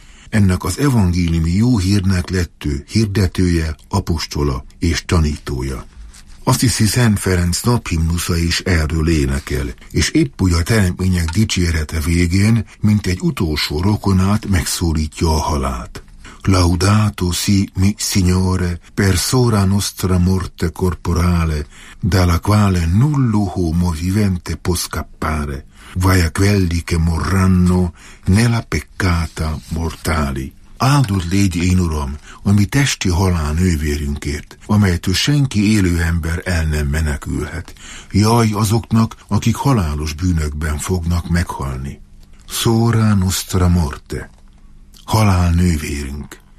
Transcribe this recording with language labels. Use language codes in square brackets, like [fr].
[hu] Ennek az evangéliumi jó hírnek lett ő hirdetője, apostola és tanítója. Azt hiszi Szent Ferenc naphimnusza is erről énekel, és épp úgy a teremtmények dicsérete végén, mint egy utolsó rokonát megszólítja a halált. [it] Laudato si, mi signore, per sora nostra morte corporale, dalla quale nullo homo vivente può scappare, vai a quelli che morranno nella peccata mortali. [hu] Áldott légy én uram, a mi testi halál nővérünkért, amelytől senki élő ember el nem menekülhet. Jaj azoknak, akik halálos bűnökben fognak meghalni. [it] Sora nostra morte. [hu] Halál nővérünk.